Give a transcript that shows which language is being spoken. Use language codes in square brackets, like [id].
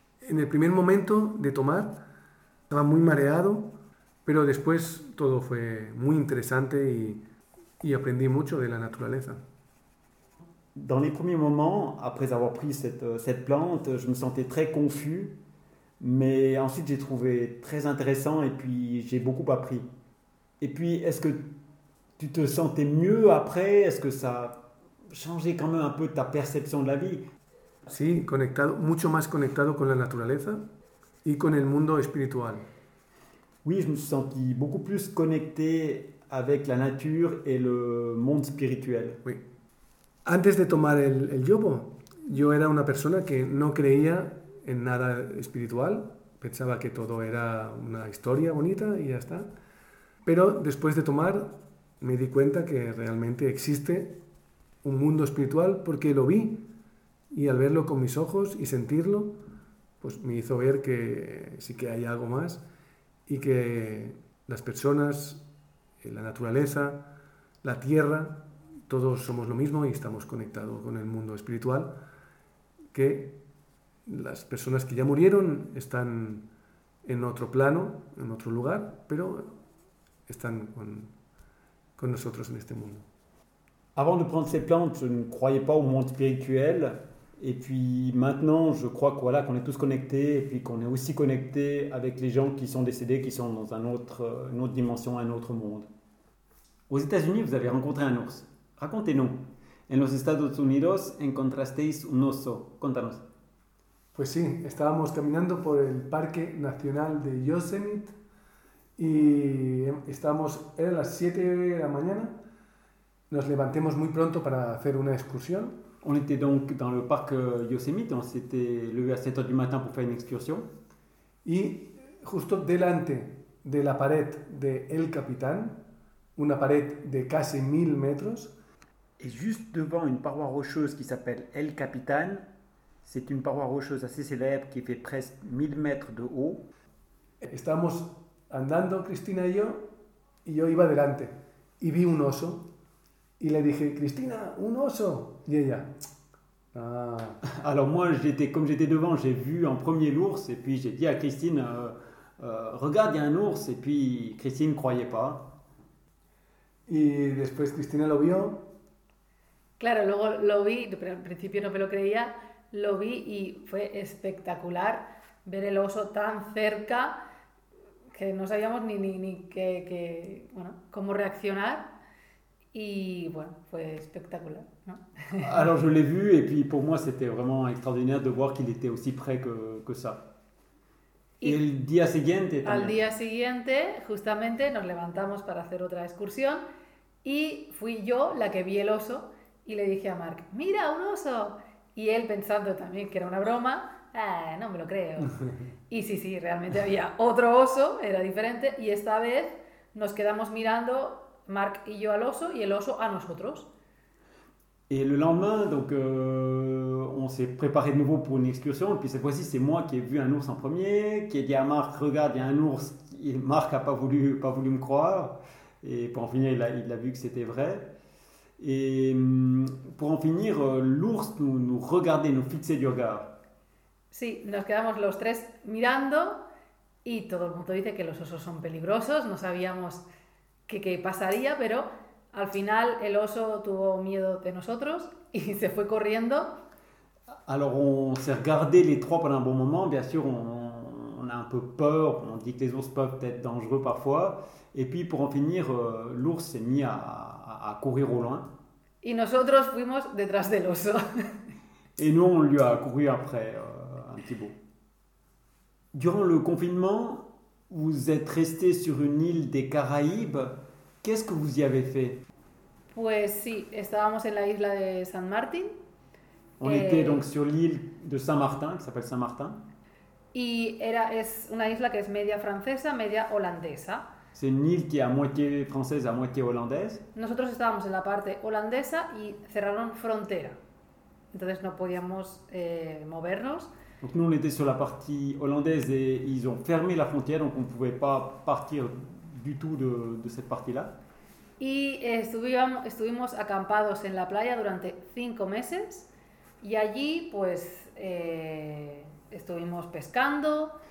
[es] En el primer momento de tomar estaba muy mareado. Pero después todo fue muy interesante y aprendí mucho de la naturaleza. [fr] Dans les premiers moments, après avoir pris cette plante, je me sentais très confus. Mais ensuite, j'ai trouvé très intéressant et puis j'ai beaucoup appris. Et puis, est-ce que tu te sentais mieux après? Est-ce que ça a changé quand même un peu ta perception de la vie? [es] Sí, conectado, mucho más conectado con la naturaleza y con el mundo espiritual. [fr] Oui, je me suis senti beaucoup plus connecté avec la nature et le monde spirituel. [es] Antes de tomar el yogo, yo era una persona que no creía en nada espiritual. Pensaba que todo era una historia bonita y ya está. Pero después de tomar, me di cuenta que realmente existe un mundo espiritual porque lo vi. Y al verlo con mis ojos y sentirlo, pues me hizo ver que sí que hay algo más y que las personas, la naturaleza, la tierra, todos somos lo mismo y estamos conectados con el mundo espiritual, que las personas que ya murieron están en otro plano, en otro lugar, pero están con nosotros en este mundo. [fr] Avant de prendre ces plantes, je ne croyais pas au monde spirituel. Et puis maintenant, je crois que voilà, qu'on est tous connectés et puis qu'on est aussi connectés avec les gens qui sont décédés, qui sont dans une autre dimension, un autre monde. Aux États-Unis, vous avez rencontré un ours. Racontez-nous. [es] En los Estados Unidos, encontrasteis un oso. Contanos. Pues sí, estábamos caminando por el Parque Nacional de Yosemite y eran las 7 de la mañana. Nos levantamos muy pronto para hacer una excursión. [fr] On était donc dans le parc Yosemite, on s'était levé à 7 h du matin pour faire une excursion. [es] Y justo delante de la pared de El Capitán, una pared de casi 1000 metros, [fr] Et juste devant une paroi rocheuse qui s'appelle El Capitan, c'est une paroi rocheuse assez célèbre qui fait presque 1000 mètres de haut. [es] estábamos andando Cristina y yo iba adelante y vi un oso y le dije: Cristina, un oso. Y ella: ah. [fr] Alors moi, comme j'étais devant, j'ai vu en premier l'ours et puis j'ai dit à Christine, regarde, il y a un ours. Et puis Christine ne croyait pas. [es] Y después Cristina lo vio. Claro, luego lo vi, pero al principio no me lo creía, lo vi y fue espectacular ver el oso tan cerca que no sabíamos ni bueno, cómo reaccionar y bueno, fue espectacular, ¿no? [fr] Alors je l'ai vu et puis pour moi c'était vraiment extraordinaire de voir qu'il était aussi près que ça. Et [es] Y le día siguiente al también. día siguiente, justamente, nos levantamos para hacer otra excursión y fui yo la que vi el oso y le dije a Mark: mira, un oso. Y él, pensando también que era una broma: no me lo creo. Y sí, realmente había otro oso, era diferente, y esta vez nos quedamos mirando, Mark y yo, al oso y el oso a nosotros. [fr] Et le lendemain, donc, on s'est préparé de nouveau pour une excursion. Et puis cette fois-ci, c'est moi qui ai vu un ours en premier, qui ai dit à Marc, regarde, il y a un ours. Et Marc n'a pas voulu me croire. Et pour en finir, il a vu que c'était vrai. Et pour en finir, l'ours nous regardait, nous fixait du regard. [es] Sí, nos quedamos los tres mirando y todo el mundo dice que los osos son peligrosos, no sabíamos qué pasaría, pero al final el oso tuvo miedo de nosotros y se fue corriendo. [fr] Alors on s'est regardé les trois pendant un bon moment, bien sûr on a un peu peur, on dit que les ours peuvent être dangereux parfois, et puis pour en finir, l'ours s'est mis à courir au loin. [es] Y nosotros fuimos detrás del oso. [fr] Et nous on lui a couru après, un petit bout. Durant le confinement, vous êtes resté sur une île des Caraïbes, qu'est-ce que vous y avez fait? [es] Pues sí, estábamos en la isla de San Martín [fr] On était donc sur l'île de Saint-Martin, qui s'appelle Saint-Martin. [es] y es una isla que es media francesa, media holandesa. [fr] C'est une île qui est à moitié française, à moitié hollandaise. [es] Nosotros estábamos en la parte holandesa y cerraron frontera, entonces no podíamos movernos. [fr] Donc nous, on était sur la partie hollandaise et ils ont fermé la frontière, donc on ne pouvait pas partir du tout de cette partie-là. [es] Y estuvimos acampados en la playa durante 5 meses y allí pues estuvimos pescando.